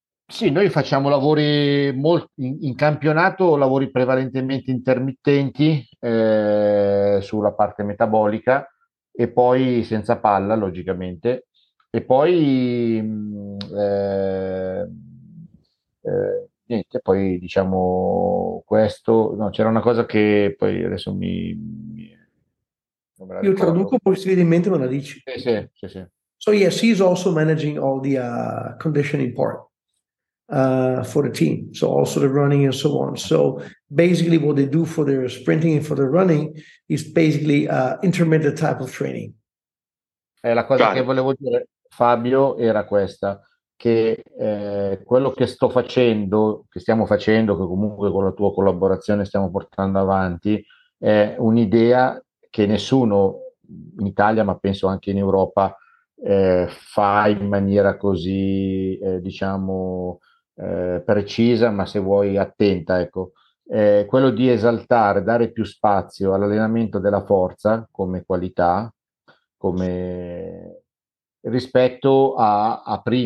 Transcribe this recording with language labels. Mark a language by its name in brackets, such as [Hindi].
[Italian] Sì, noi facciamo lavori in campionato, lavori prevalentemente intermittenti sulla parte metabolica e poi senza palla, logicamente. E poi niente, poi diciamo questo. No, c'era una cosa che poi adesso mi non me la ricordo. Io traduco, poi si vede in mente, me la dici. Sì. [English] So yes, he's also managing all the conditioning part. For the team, so also the running and so on. So basically what they do for their sprinting and for the running is basically intermittent type of training. [Italian] La cosa che volevo dire, Fabio, era questa, che quello che sto facendo, che stiamo facendo, che comunque con la tua collaborazione stiamo portando avanti, è un'idea che nessuno in Italia, ma penso anche in Europa, fa in maniera così diciamo precisa, ma se vuoi attenta, ecco, quello di esaltare, dare più spazio all'allenamento della forza come qualità, come rispetto a